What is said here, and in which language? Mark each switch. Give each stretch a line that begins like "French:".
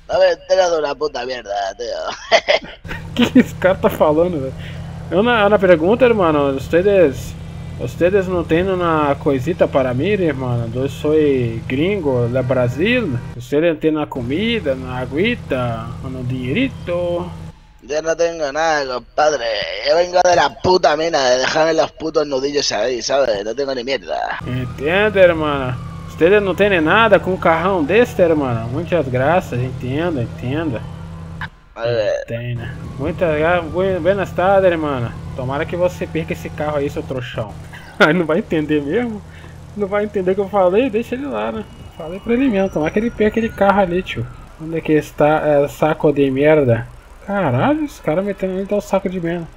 Portuguese: Tá me entrando na puta merda, tio. Que esse cara tá falando, velho? Eu na pergunta, irmão, vocês não têm uma coisita para mim, irmão? Eu sou gringo do Brasil. Vocês não têm na comida, na aguita, no dinheirito.
Spanish: Yo no tengo nada, compadre. Yo vengo de la puta mina de dejarme los putos nudillos ahí, ¿sabes? No tengo ni mierda. Entiendo, hermano. Ustedes no tienen nada con un cajón de este, hermano. Muchas gracias, entiendo, entiendo. Vale. Entiendo. Muchas gracias. Buenas tardes, hermano.
Portuguese: Tomara que você perca ese carro ahí, seu trouxão. Aí
Spanish: no va a entender
Portuguese: mesmo.
Spanish: No va a entender
Portuguese: que eu falei, deixa ele lá, né? Falei pra ele mesmo. Tomara que ele perca aquele carro ali, tio. Onde é que está o saco de merda? Caralho, esse cara metendo ali dar o saco de merda.